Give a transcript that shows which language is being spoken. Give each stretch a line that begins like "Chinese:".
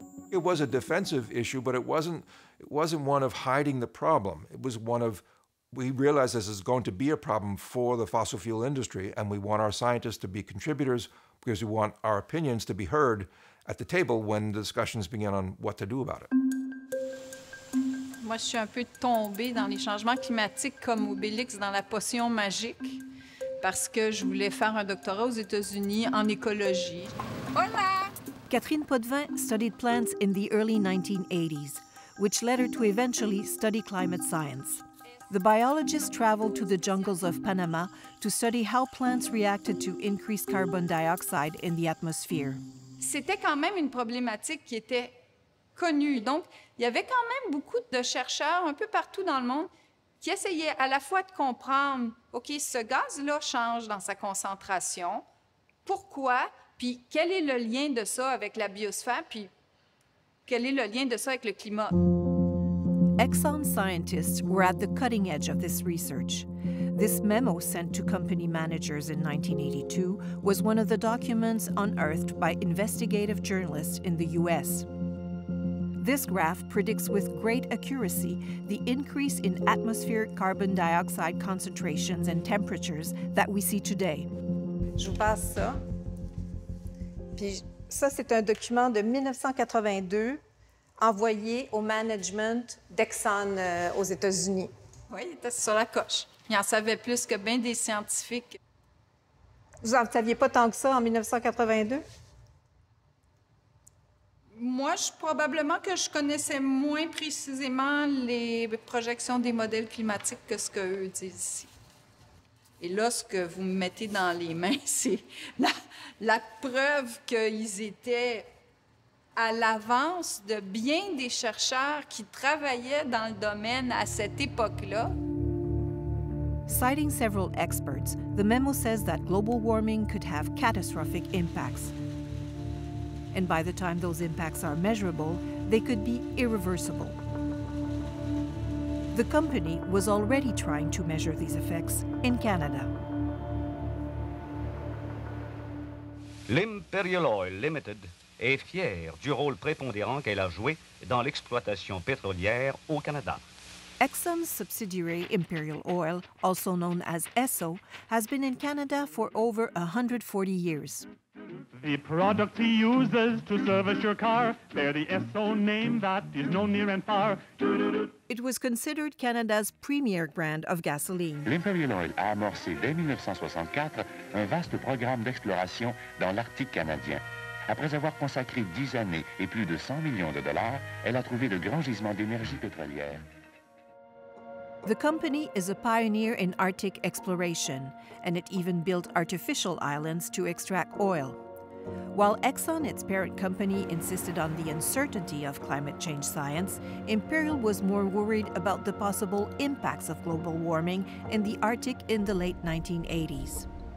English: It was a defensive issue, but it wasn't one of hiding the problem. It was one of, we realize this is going to be a problem for the fossil fuel industry, and we want our scientists to be contributors because we want our opinions to be heard at the table when the discussions begin on what to do about it.
French: Moi, je suis un peu tombée dans les changements climatiques comme Obélix dans la potion magique parce que je voulais faire un doctorat aux États-Unis en écologie.
Spanish: Hola!
English: Catherine Potvin studied plants in the early 1980s, which led her to eventually study climate science. The biologist traveled to the jungles of Panama to study how plants reacted to increased carbon dioxide in the atmosphere.
French: C'était quand même une problématique qui était connue. Donc, il y avait quand même beaucoup de chercheurs un peu partout dans le monde qui essayaient à la fois de comprendre, OK, ce gaz-là change dans sa concentration, pourquoi, puis quel est le lien de ça avec la biosphère, puis quel est le lien de ça avec le climat.
English: Exxon scientists were at the cutting edge of this research. This memo sent to company managers in 1982 was one of the documents unearthed by investigative journalists in the U.S. This graph predicts with great accuracy the increase in atmospheric carbon dioxide concentrations and temperatures that we see today.
French: Je vous passe ça. Puis ça, c'est un document de 1982 envoyé au management d'Exxon aux États-Unis. Oui, il était sur la coche. Il en savait plus que bien des scientifiques. Vous en saviez pas tant que ça en 1982? Moi, probablement que je connaissais moins précisément les projections des modèles climatiques que ce qu'eux disent ici. Et là, ce que vous me mettez dans les mains, c'est la preuve qu'ils étaient à l'avance de bien des chercheurs qui travaillaient dans le domaine à cette époque-là.
English: Citing several experts, the memo says that global warming could have catastrophic impacts. And by the time those impacts are measurable, they could be irreversible. The company was already trying to measure these effects in Canada.
French: L'Imperial Oil Limited est fière du rôle prépondérant qu'elle a joué dans l'exploitation pétrolière au Canada.
English: Exxon's subsidiary Imperial Oil, also known as Esso, has been in Canada for over 140 years. The product he uses to service your car bear the Esso name that is known near and far. It was considered Canada's premier brand of gasoline.
French: L'Imperial Oil a amorcé dès 1964 un vaste programme d'exploration dans l'Arctique canadien. Après avoir consacré 10 années et plus de 100 millions de dollars, elle a trouvé de grands gisements d'énergie pétrolière.
English: The company is a pioneer in Arctic exploration, and it even built artificial islands to extract oil. While Exxon, its parent company, insisted on the uncertainty of climate change science, Imperial was more worried about the possible impacts of global warming in the Arctic in the late 1980s.